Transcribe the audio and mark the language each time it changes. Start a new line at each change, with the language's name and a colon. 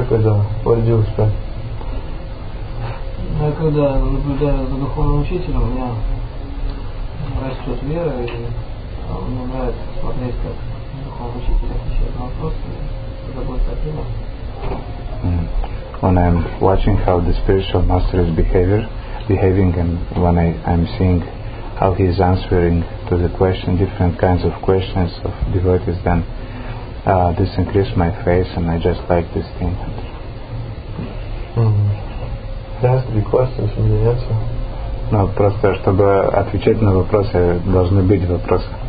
Russian: Выкладывал.
English: What did you expect?
Russian: Я когда наблюдаю за духовным учителем, у меня растет вера, и мне нравится смотреть, как духовный учитель отвечает на вопросы, заботится о теме.
English: When I'm watching how the spiritual master is behaving, and when I'm seeing how he is answering to the question, different kinds of questions of devotees, then this increased my faith, and I just like this thing. Mm-hmm. There has to be questions for me to answer.
Russian: No, просто чтобы отвечать на вопросы, должны быть вопросы.